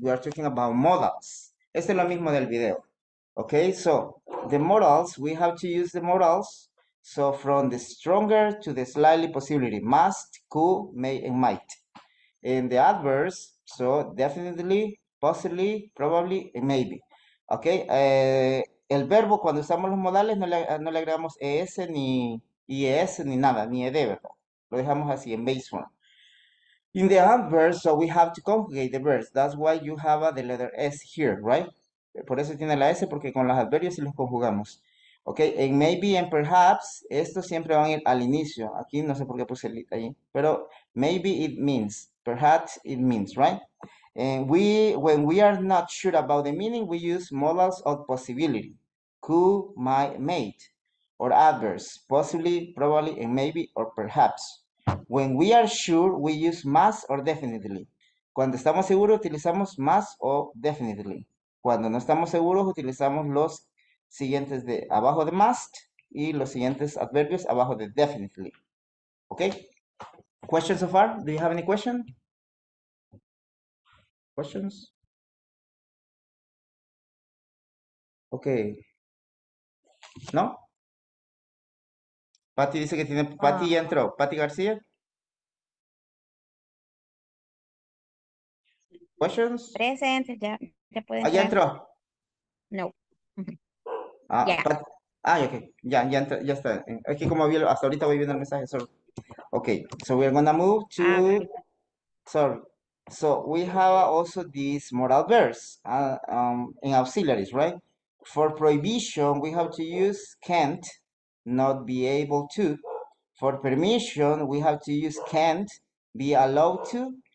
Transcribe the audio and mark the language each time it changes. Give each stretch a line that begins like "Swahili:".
English: We are talking about models.
Spanish: Este es lo mismo del video.
English: Okay, so the models, we have to use the models. So from the stronger to the slightly possibility, must, could, may, and might. And the adverbs, so definitely, possibly, probably, and maybe.
Spanish: Okay, el verbo, cuando usamos los modales, no le agregamos ES, ni IES, ni nada, ni ED, ¿verdad? Lo dejamos así, en base form.
English: In the adverb, so we have to conjugate the verbs. That's why you have the letter S here, right?
Spanish: Por eso tiene la S, porque con los adverbios sí los conjugamos. Okay, and maybe and perhaps, estos siempre van a ir al inicio. Aquí no sé por qué puse el ahí, pero
English: maybe it means, perhaps it means, right? And when we are not sure about the meaning, we use models of possibility. Could, might, may, or adverbs, possibly, probably, and maybe, or perhaps. When we are sure, we use must or definitely.
Spanish: Cuando estamos seguros, utilizamos must or definitely. Cuando no estamos seguros, utilizamos los siguientes de abajo de must y los siguientes adverbios abajo de definitely.
English: Okay? Questions so far? Do you have any question? Questions?
Spanish: Okay. No? Patty dice que tiene. Patty ya entró. Patty García?
English: Questions?
Spanish: Present, ya pueden. Ah, ya entró. No. Ya está. Es que como vi, hasta ahorita voy viendo el mensaje.
English: Sorry. Okay, so we're gonna move to. Sorry. So we have also these moral verbs in auxiliaries, right? For prohibition, we have to use can't, not be able to. For permission, we have to use can't, be allowed to.